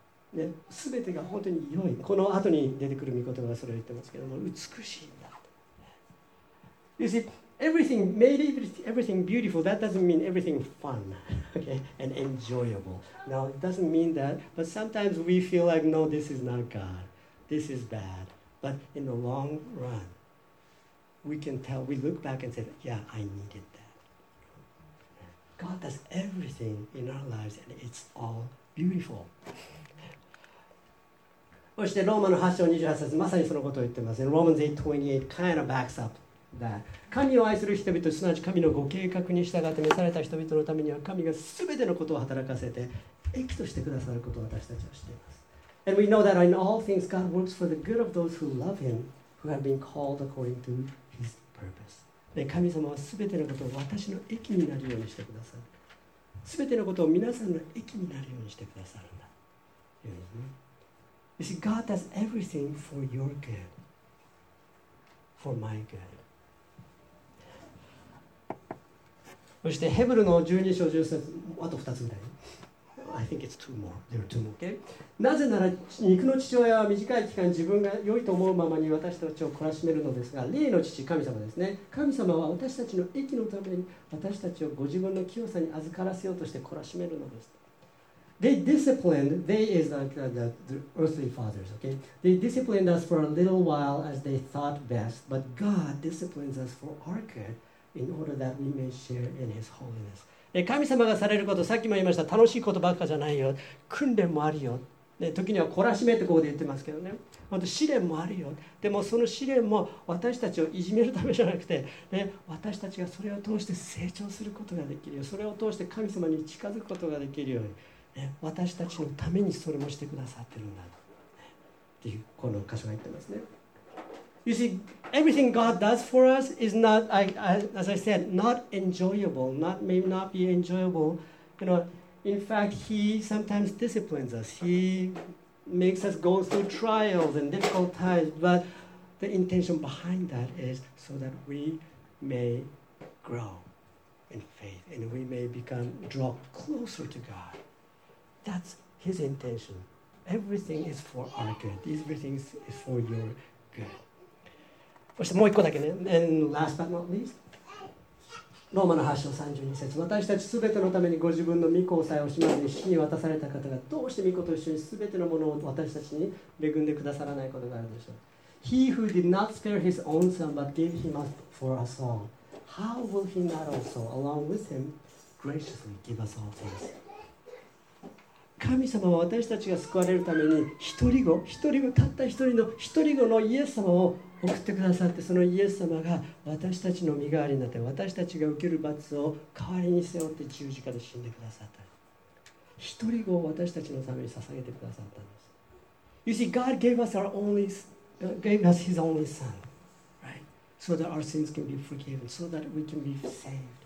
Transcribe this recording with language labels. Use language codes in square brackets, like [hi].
[ja] ね、全てが本当に良い、この後に出てくる御言葉がそれを言ってますけども、美しいんだと。 [en] You see, everything made everything beautiful, that doesn't mean everything fun, okay, and enjoyable. Now, it doesn't mean that, but sometimes we feel like, no, this is not God, this is bad. But in the long run, we can tell, we look back and say, yeah, I needed that. God does everything in our lives and it's all beautiful. [ja] そしてローマの8:28、まさにそのことを言ってますね。 [en] Romans 8:28 kind of backs up that. [ja] 神を愛する人々、すなわち神のご計画に従って召された人々のためには、神が全てのことを働かせて、益としてくださることを私たちは知っています。 [en] And we know that in all things God works for the good of those who love Him, who have been called according to His purpose. [ja] で、神様は全てのことを私の益になるようにしてくださる。全てのことを皆さんの益になるようにしてくださるんだ。いうですね。 [en] You see, God does everything for your good, for my good. [ja] そしてヘブルの12:13、あと2つぐらい。 [en] I think it's two more. There are two more. Okay. [ja] なぜなら肉の父親は短い期間自分が良いと思うままに私たちを懲らしめるのですが、霊の父、神様ですね。神様は私たちの益のために私たちをご自分の清さに預からせようとして懲らしめるのです。 [en] They disciplined, they is like the earthly fathers, okay? They disciplined us for a little while as they thought best, but God disciplines us for our good in order that we may share in His holiness. [ja] 神様がされること、さっきも言いました、楽しいことばっかじゃないよ。訓練もあるよ。で、時には懲らしめってここで言ってますけどね。本当、試練もあるよ。でもその試練も私たちをいじめるためじゃなくて、で、私たちがそれを通して成長することができるよ。それを通して神様に近づくことができるように。私たちのためにそれもしてくださってるんだっていうこの箇所が言ってますね。 [en] You see, everything God does for us is not, as I said, not enjoyable, not, may not be enjoyable. You know, In fact, he sometimes disciplines us. He makes us go through trials and difficult times, but the intention behind that is so that we may grow in faith and we may become draw closer to God. That's his intention. Everything is for our good. Everything is for your good. [ja] そしてもう一個だけね。 [en] And last but not least. [ja] ローマの8章32節、私たちすべてのためにご自分の御子を差し押しまして死に渡された方がどうして御子と一緒にすべてのものを私たちに恵んでくださらないことがあるでしょう。 [en] He who did not spare his own son but gave him up for us all, how will he not also along with him graciously give us all things? [ja] 神様は私たちが救われるために一人子たった一人の一人子のイエス様を送ってくださって、そのイエス様が私たちの身代わりになって、私たちが受ける罰を代わりに背負って十字架で死んでくださった。一人子を私たちのために捧げてくださったんです。 [en] You see, God gave us, his only son, right? So that our sins can be forgiven, so that we can be saved.